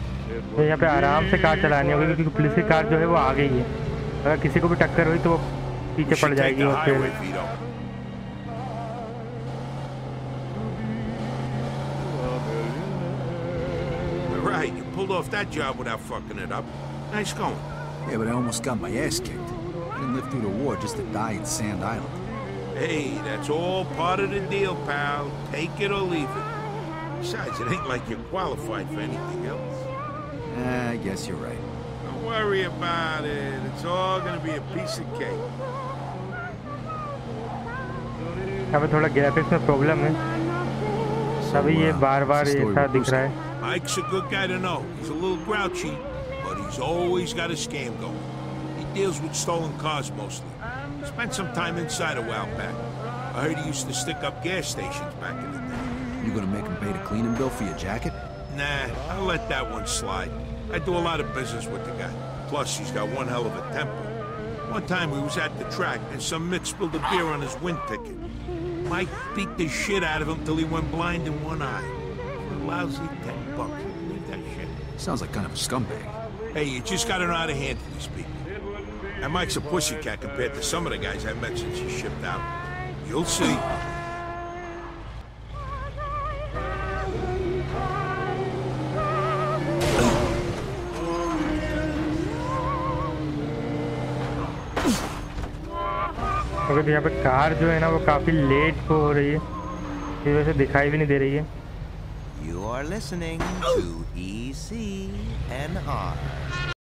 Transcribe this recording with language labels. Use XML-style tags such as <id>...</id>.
<hi>तो यहाँ पे आराम से कार चलानी होगी क्योंकि पुलिस की कार जो है वो आ गई है. अगर किसी को भी टक्कर हुई तो वो पीछे पड़ जाएगी.</hi> <en>Yeah, but I almost got my ass kicked. I didn't live through the war just to die in Sand Island. Hey, that's all part of the deal, pal. Take it or leave it. Besides, it ain't like you're qualified for anything else. I guess you're right. Don't worry about it. It's all gonna be a piece of cake.</en> <hi>अबे थोड़ा graphics में problem है. सभी ये बार-बार ऐसा दिख रहा है.</hi> <en>Mike's a good guy to know. He's a little grouchy, but he's always got a scam going. He deals with stolen cars mostly. Spent some time inside a while back. I heard he used to stick up gas stations back in the day. You gonna make him pay the cleaning bill for your jacket? Nah, I'll let that one slide. I do a lot of business with the guy. Plus, he's got one hell of a temper. One time we was at the track and some mitt spilled a beer on his wind ticket. Mike beat the shit out of him till he went blind in one eye. Lousy $10. Leave that shit. Sounds like kind of a scumbag. Hey, you just got an out of hand to these people. And Mike's a pussycat compared to some of the guys I met since he shipped out. You'll see. Oh.</en> <hi>Okay तो यहाँ पे car जो है ना वो काफी late को हो रही है, इस वजह से दिखाई भी नहीं दे रही है।</hi> <en>You are listening to ECNR.</en>